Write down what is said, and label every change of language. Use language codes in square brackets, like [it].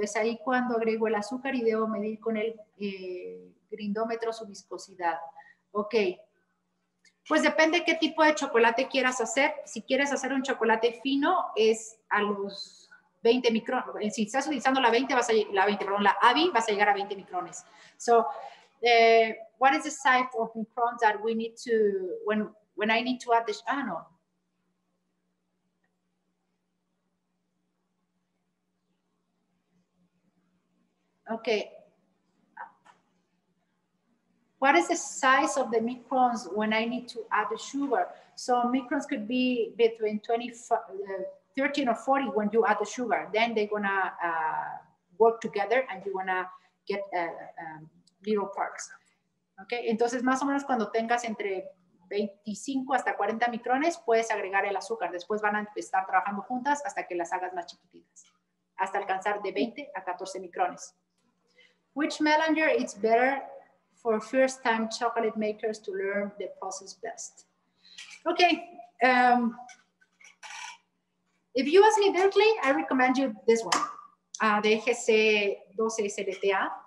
[es] Es ahí cuando agrego el azúcar y debo medir con el grindómetro su viscosidad. Ok. Pues depende qué tipo de chocolate quieras hacer. Si quieres hacer un chocolate fino, es a los 20 micrones. Si estás utilizando la 20, vas a, la 20, perdón, la AVI, vas a llegar a 20 micrones. [en] So, what is the size of microns that we need to, when I need to add this, ah, no. Okay. What is the size of the microns when I need to add the sugar? So microns could be between 13 or 40 when you add the sugar. Then they're gonna work together and you wanna get little parts. [es] Okay, entonces más o menos cuando tengas entre 25 hasta 40 micrones, puedes agregar el azúcar. Después van a estar trabajando juntas hasta que las hagas más chiquititas, hasta alcanzar de 20 a 14 micrones. [en] Which melanger is better for first time chocolate makers to learn the process best? Okay. If you ask me directly, I recommend you this one, the EGC 12 SLTA.